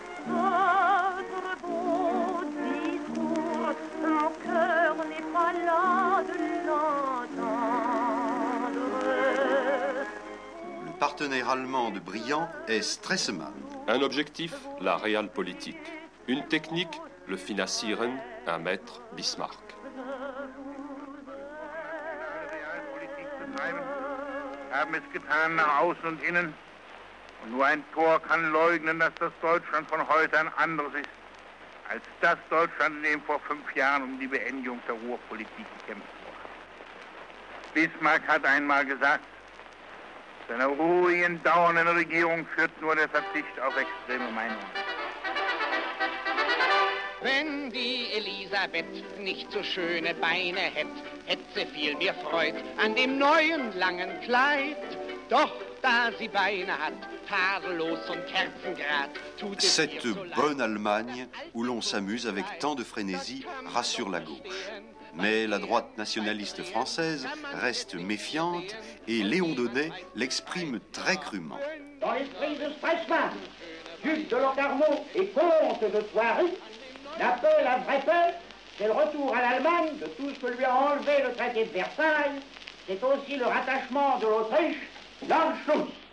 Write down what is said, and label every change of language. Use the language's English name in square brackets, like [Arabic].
[French] Votre beau discours, mon cœur n'est pas là de l'entendre. Partenaire allemand de Briand est Stresemann. Un objectif, la Realpolitik. Une technique, le Finassieren, un maître, Bismarck. [German] Realpolitik zu treiben, haben es getan nach außen und innen. Und nur ein Tor kann leugnen, dass das Deutschland von heute ein anderes ist, als das Deutschland, in dem vor fünf Jahren um die Beendigung der Ruhrpolitik gekämpft wurde. Bismarck hat einmal gesagt, seiner ruhigen, dauernden Regierung führt nur der Verzicht auf extreme Meinungen. Wenn die Elisabeth nicht so schöne Beine hätte, hätte sie viel mehr Freude an dem neuen langen Kleid. Doch da sie Beine hat, tadellos und kerzengrad, tut es [French] cette bonne Allemagne, où l'on s'amuse avec tant de frénésie, rassure la gauche. Mais la droite nationaliste française reste méfiante et Léon Daudet l'exprime très crûment. Dans l'esprit de Stresemann, duc de Locarno et comte de Thoiry, l'appel à vrai peuple, c'est le retour à l'Allemagne de tout ce que lui a enlevé le traité de Versailles, c'est aussi le rattachement de l'Autriche dans le Schluss.